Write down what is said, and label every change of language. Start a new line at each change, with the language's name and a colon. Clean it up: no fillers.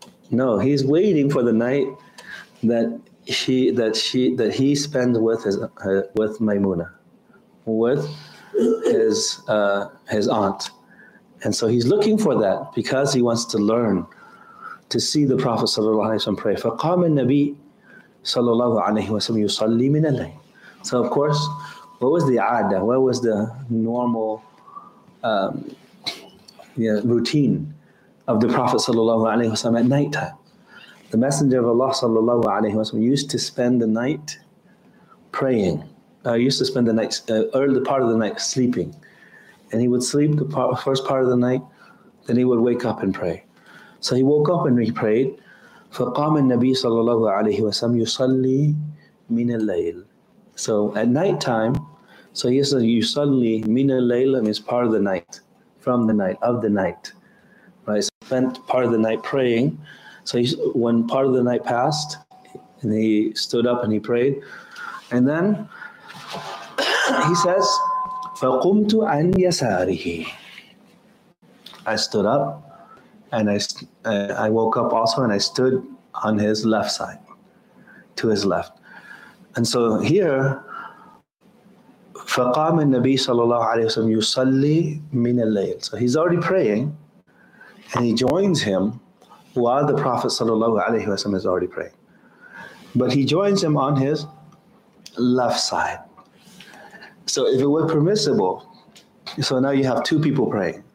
English: No, he's waiting for the night that he spends with Maymuna, with his aunt. And so he's looking for that because he wants to learn to see the Prophet sallallahu alaihi wasallam pray.
Arabic: فَقَامَ النَّبِيُّ sallallahu alaihi wasallam يُصَلِّي مِنَ اللَّيْلِ.
English: So of course, what was the adah? What was the normal routine of the Prophet sallallahu alaihi wasallam at night time? The Messenger of Allah sallallahu alaihi wasallam used to spend the night praying. Used to spend the night, early part of the night sleeping. And he would sleep the first part of the night, then he would wake up and pray. So he woke up and he prayed.
Arabic: فَقَامَ النَّبِيُّ صَلَى اللَّهُ عَلَيْهِ وَسَلَّمَ يُصَلِّي مِنَ اللَّيْلِ.
English: So at night time, so he says,
Arabic: يُصَلِّي مِنَ اللَّيْلِ
English: means part of the night, from the night, of the night. Right? So spent part of the night praying. So he, when part of the night passed, and he stood up and he prayed. And then he says,
Arabic: فَقُمْتُ عَنْ يَسَارِهِ.
English: I stood up, and I woke up also, and I stood on his left side, to his left. And so here,
Arabic: فَقَامَ النَّبِيُّ صَلَى اللَّهُ عَلَيْهِ وَسَلَّمَ يُصَلِّي مِنَ اللَّيْلِ.
English: So he's already praying, and he joins him while the Prophet sallallahu alaihi wasallam is already praying. But he joins him on his left side. So if it were permissible, so now you have two people praying.